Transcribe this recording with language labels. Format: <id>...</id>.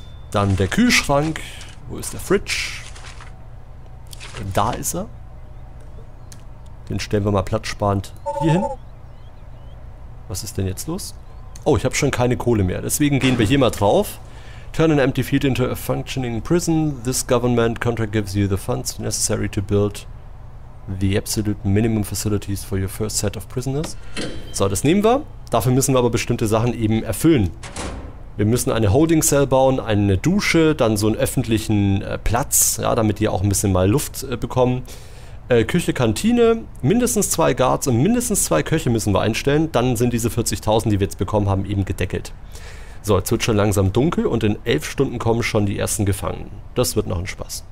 <de>Dann der Kühlschrank. Wo ist der Fridge? Da ist er. Den stellen wir mal platzsparend hier hin. Was ist denn jetzt los? Oh, ich habe schon keine Kohle mehr. Deswegen gehen wir hier mal drauf.</de> <en>Turn an empty field into a functioning prison. This government contract gives you the funds necessary to build the absolute minimum facilities for your first set of prisoners.</en> <de>So, das nehmen wir. Dafür müssen wir aber bestimmte Sachen eben erfüllen. Wir müssen eine Holding Cell bauen, eine Dusche, dann so einen öffentlichen Platz, ja, damit die auch ein bisschen mal Luft bekommen. Küche, Kantine, mindestens 2 Guards und mindestens 2 Köche müssen wir einstellen. Dann sind diese 40.000, die wir jetzt bekommen haben, eben gedeckelt. So, jetzt wird schon langsam dunkel und in 11 Stunden kommen schon die ersten Gefangenen. Das wird noch ein Spaß.</de>